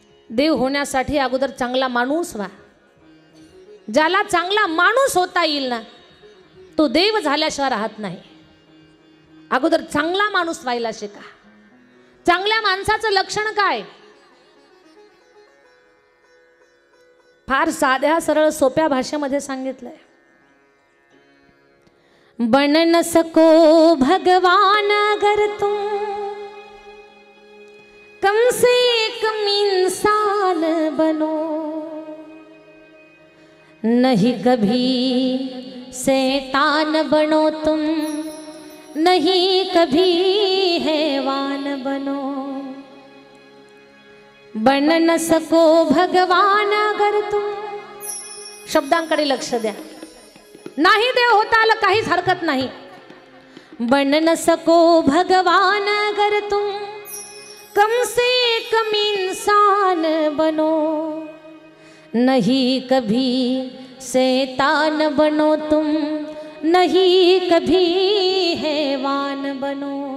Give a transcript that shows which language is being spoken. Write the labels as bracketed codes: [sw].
[mr] देव होण्यासाठी अगोदर चांगला माणूस व्हा. ज्याला चांगला माणूस होता येईल ना, तो देव झाल्याशिवाय राहत नाही. अगोदर चांगला माणूस व्हायला शिका. चांगल्या माणसाचं लक्षण काय? फार साध्या सरळ सोप्या भाषेमध्ये सांगितलंय. [hi] बनन सको भगवान अगर तुम कम से कम इंसान बनो, नहीं कभी शैतान बनो तुम, नहीं कभी हैवान बनो. बन न सको भगवान अगर तुम. [mr] शब्दांकडे लक्ष द्या. नाही देव होता आलं काहीच हरकत नाही. [hi] बन न सको भगवान अगर तुम कम से कम इंसान बनो, नहीं कभी शैतान बनो तुम, नहीं कभी हैवान बनो.